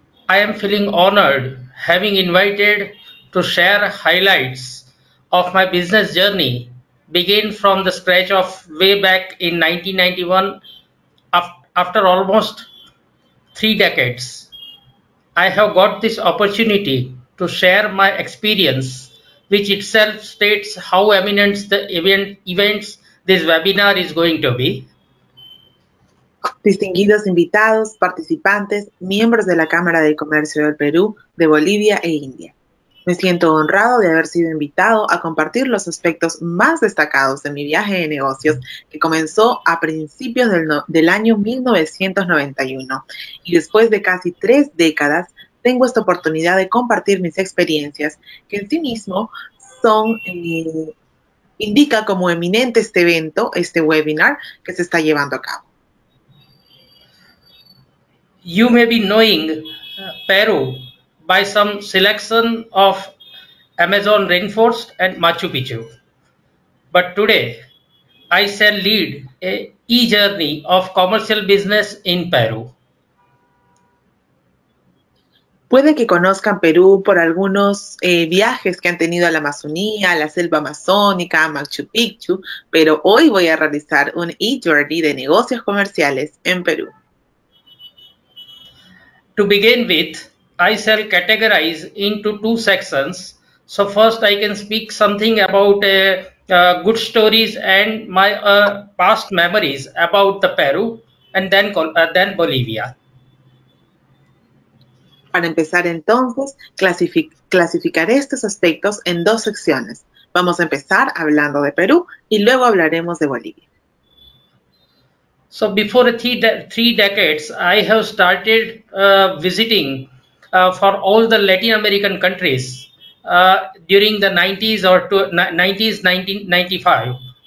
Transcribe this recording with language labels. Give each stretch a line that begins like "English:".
English: I am feeling honored having invited to share highlights of my business journey, begin from the scratch of way back in 1991, after almost 3 decades. I have got this opportunity to share my experience, which itself states how eminent the events this webinar is going to be.
Spanish: Distinguidos invitados, participantes, miembros de la Cámara de Comercio del Perú, de Bolivia e India. Me siento honrado de haber sido invitado a compartir los aspectos más destacados de mi viaje de negocios que comenzó a principios del año 1991. Y después de casi 3 décadas, tengo esta oportunidad de compartir mis experiencias, que en sí mismo son, indica como eminente este evento, este webinar que se está llevando a cabo.
English: You may be knowing Peru by some selection of Amazon rainforest and Machu Picchu. But today, I shall lead a e-journey of commercial business in Peru.
Spanish: Puede que conozcan Perú por algunos viajes que han tenido a la Amazonía, a la selva amazónica, a Machu Picchu, pero hoy voy a realizar un e-journey de negocios comerciales en Perú.
English: To begin with, I shall categorize into 2 sections. So first I can speak something about good stories and my past memories about the Peru. and then Bolivia.
Spanish: Para empezar entonces, clasificaré estos aspectos en dos secciones. Vamos a empezar hablando de Perú y luego hablaremos de Bolivia.
English: So before three decades, I have started visiting for all the Latin American countries during the 90s or 1995.